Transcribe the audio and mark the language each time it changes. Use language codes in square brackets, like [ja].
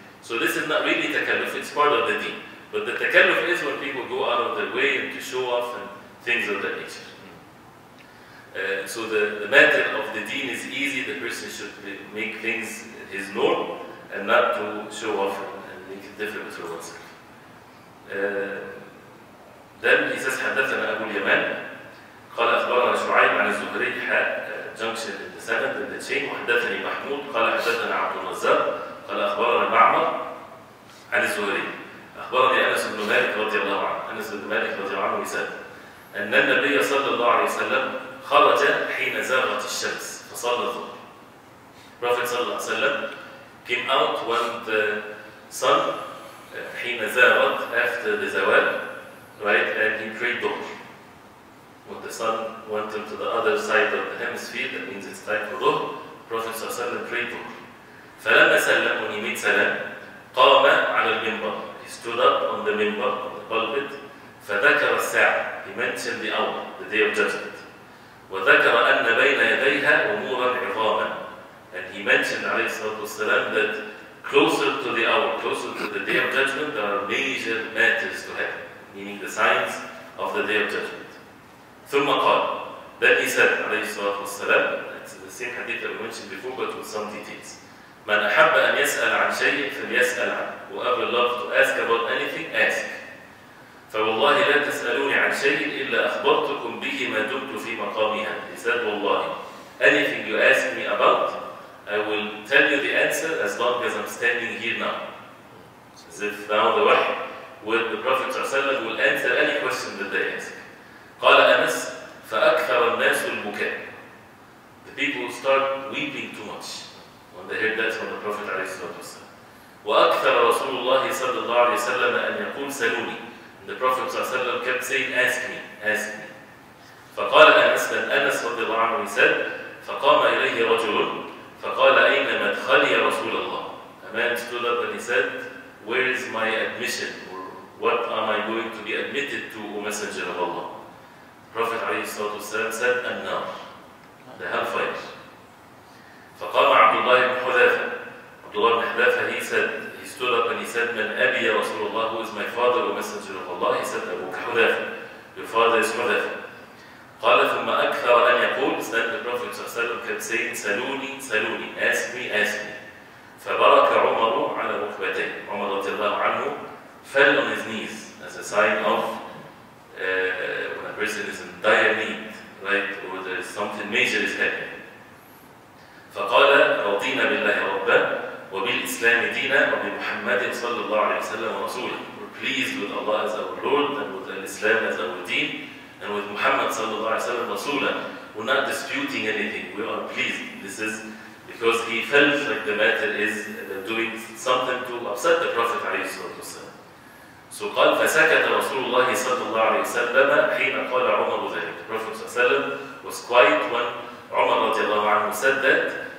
[en] So this is not really takalluf, it's part of the deen. But the takalluf is when people go out of their way and to show off and things of that nature. So the matter of the deen is easy, the person should make things his norm and not to show off and make it difficult for oneself. [ar] Then he says, حدثنا أبو اليمان قال أخبرنا شعيب عن الزهري [en] junction in the seventh in the chain [ar] وحدثني محمود قال حدثنا عبد النزار قال أخبرنا معمر عن الزهري أخبرني أنس بن مالك رضي الله عنه أنس بن مالك رضي الله عنه يسأل أن النبي صلى الله عليه وسلم خرج حين زاغت الشمس فصلى الظهر. [en] Prophet صلى الله عليه وسلم came out when the sun [ar] حين زاغت [en] after the زوال. Right, and he prayed dhuhr. When the sun went into the other side of the hemisphere, that means it's time for dhuhr, Prophet ﷺ prayed dhuhr. [ar] فَلَمَّا سَلَّمْ [en] When he made salam, [ar] قَامَ عَلَى الْمِنْبَرِ [en] He stood up on the minbar, on the pulpit. [ar] فَذَكَرَ السَّاعَ [en] He mentioned the hour, the day of judgment. [ar] وَذَكَرَ أَنَّ بَيْنَ يَدَيْهَا أُمُورًا عِظَامًا [en] And he mentioned, والسلام, that closer to the hour, closer to the day of judgment, there are major matters to happen. Meaning the signs of the Day of Judgment. [ar] ثُمَّ قَالَ [en] Then he said, عليه الصلاة والسلام, it's the same hadith that we mentioned before, but with some details. [ar] مَنْ أَحَبَّ أَنْ يَسْأَلْ عَنْ شَيْءٍ فَلْيَسْأَلْ عَنْ [en] Whoever loves to ask about anything, ask. [ar] فَوَاللَّهِ لَا تَسْأَلُونِ عَنْ شَيْءٍ إِلَّا أَخْبَرْتُكُمْ بِهِ مَا دُمْتُ فِي مَقَامِهَا [en] He said, وَاللَّهِ Anything you ask me about, I will tell you the answer as long as I'm standing here now. As if now the wahy. Would the Prophet ﷺ will answer any question that they ask. [ar] قَالَ أَنَسْ فَأَكْثَرَ النَّاسُ الْبُكَىٰ [en] The people start weeping too much when they heard that from the Prophet ﷺ. [ar] وَأَكْثَرَ رَسُولُ اللَّهِ صَلَّى اللَّهُ عَلَيْهِ وَسَلَّمَ أَنْ يَقُولْ سَلُونِي [en] And the Prophet ﷺ kept saying, ask me, ask me. [ar] فَقَالَ أَنَسْ بَنْ أَنَسْ رَضِي اللَّهُ عَنْهُ said, فَقَامَ إِلَيْهِ رَجُلٌ فَقَالَ أَيْنَ مَدْخَلِيَ رَسُولَ اللَّهِ [en] A man stood up and he said, where is my admission? What am I going to be admitted to, O Messenger of Allah? Prophet ﷺ said, An-Nar, the hellfire. [ar] فَقَامَ عَبْدُ اللَّهِ بْنْ حُذَافَ [en] Abdullah ibn Hudhafa, he stood up and he said, [ar] مَنْ أَبِيَ رَسُولُ اللَّهِ [en] Who is my father, O Messenger of Allah? He said, [ar] أَبُوكَ حُذَافَ [en] Your father is Hudhafa. [ar] قَالَ ثُمَّ أَكْثَرَ أَنْ يَقُولُ [en] Then the Prophet ﷺ kept saying, [ar] سَلُونِي, سَلُونِي, [en] ask me, ask me. [ar] فَبَرَكَ عُمَرُ عَلَى رُكْبَتَيْهِ [en] عُمَر رَضِيَ اللَّهُ عَنْهُ fell on his knees as a sign of when a person is in dire need, right, or there is something major is happening. [ar] فَقَالَ رَضِينَا بِاللَّهِ رَبَّا وَبِالْإِسْلَامِ دِينَا وَبِمُحَمَّدٍ صَلَّى اللَّهُ عَلَيْهِ وَسَلَّمَ وَرَسُولِهِ [en] We're pleased with Allah as our Lord and with Islam as our deen and with Muhammad صلى الله عليه وسلم [ar] رَسُولًا [en] We're not disputing anything, we are pleased. This is because he felt like the matter is doing something to upset the Prophet عليه الصلاة والسلام. [ar] So قال فسكت رسول الله صلى الله عليه وسلم حين قال عمر ذلك. [en] The Prophet ﷺ was quiet when Umar رضي الله عنه said that.